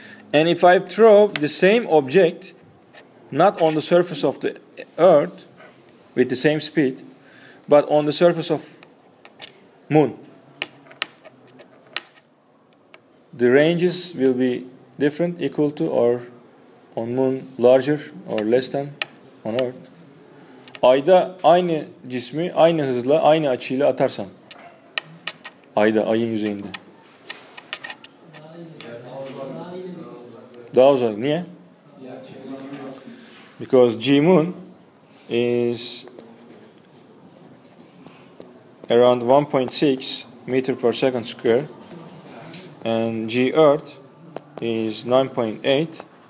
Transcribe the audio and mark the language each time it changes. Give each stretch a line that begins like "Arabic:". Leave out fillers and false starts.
English: And if I throw the same object, not on the surface of the Earth with the same speed, but on the surface of Moon, the ranges will be different, equal to, or on Moon larger or less than on Earth.
Turkish: Ayda aynı cismi aynı hızla aynı açıyla atarsan, ayda, ayın yüzeyinde, daha uzak. Niye?
English: Because G Moon is around 1.6 meter per second square, and G Earth is 9.8.